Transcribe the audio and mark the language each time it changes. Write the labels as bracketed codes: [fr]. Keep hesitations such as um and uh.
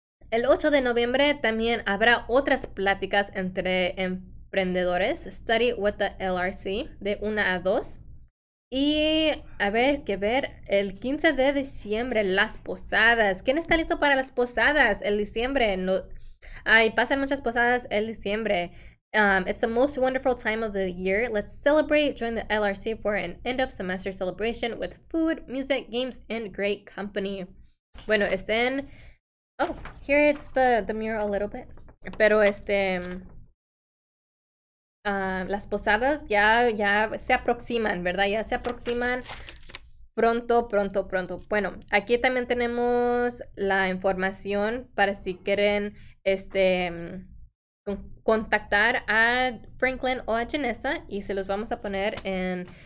[es] El 8 de noviembre también habrá otras pláticas entre emprendedores. [en] Study with the LRC [es] de una a 2. Y a ver, que ver, el 15 de diciembre, las posadas. ¿Quién está listo para las posadas el diciembre? No, ay, pasan muchas posadas el diciembre. [en] Um, it's the most wonderful time of the year. Let's celebrate. Join the LRC for an end of semester celebration with food, music, games, and great company. [es] Bueno, estén. En... [en] Oh, here it's the, the mirror a little bit. [es] Pero este. Uh, las posadas ya, ya, se aproximan, ¿verdad? Ya se aproximan pronto, pronto, pronto. Bueno, aquí también tenemos la información para si quieren este, contactar a Franklin o a Janessa y se los vamos a poner en...